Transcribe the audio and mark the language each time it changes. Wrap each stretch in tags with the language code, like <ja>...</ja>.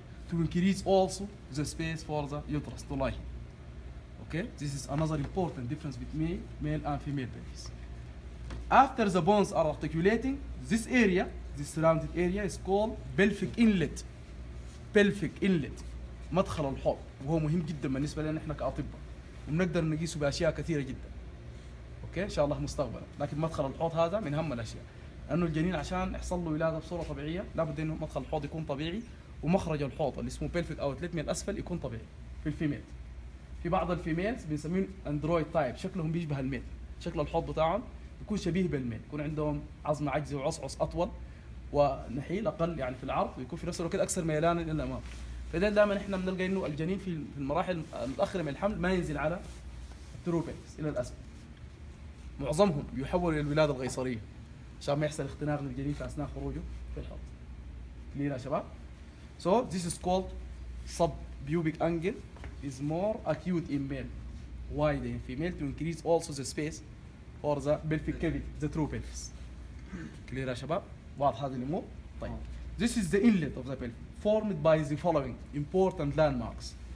<en>To increase also the space for the uterus to lie. Okay, this is another important difference between male and female pelvis. After the bones are articulating, this area, this surrounding area is called pelvic inlet. Pelvic inlet.</en> <ar>مدخل الحوض. وهو مهم جدا بالنسبة لنا احنا كأطباء. ونقدر نقيسه بأشياء كثيرة جدا. اوكي ان شاء الله مستقبلا لكن مدخل الحوض هذا من اهم الاشياء لانه الجنين عشان يحصل له ولاده بصوره طبيعيه لابد انه مدخل الحوض يكون طبيعي ومخرج الحوض اللي اسمه بيلفيك اوتليت من الاسفل يكون طبيعي في الفيميل في بعض الفيميلز بنسميهم اندرويد تايب شكلهم بيشبه الميل شكل الحوض بتاعهم يكون شبيه بالميل يكون عندهم عظم عجزي وعصعص اطول ونحيل اقل يعني في العرض ويكون في نفس الوقت اكثر ميلانا الى الامام فده دائما احنا بنلقى انه الجنين في المراحل الاخيره من الحمل ما ينزل على التروبيكس الى الاسفل معظمهم يحول الى الولاده القيصريه عشان ما يحصل اختناق للجنين في اثناء خروجه في الحوض. كلير يا شباب؟</ar> <en>So this is called subpubic angle is more acute in male, wider in female to increase also the space for the pelvic cavity, the true pelvis.</en> <ar>كلير يا شباب؟ واضح هذا الامور؟ طيب.</ar> <en>This is the inlet of the pelvis formed by the following important landmarks.</en>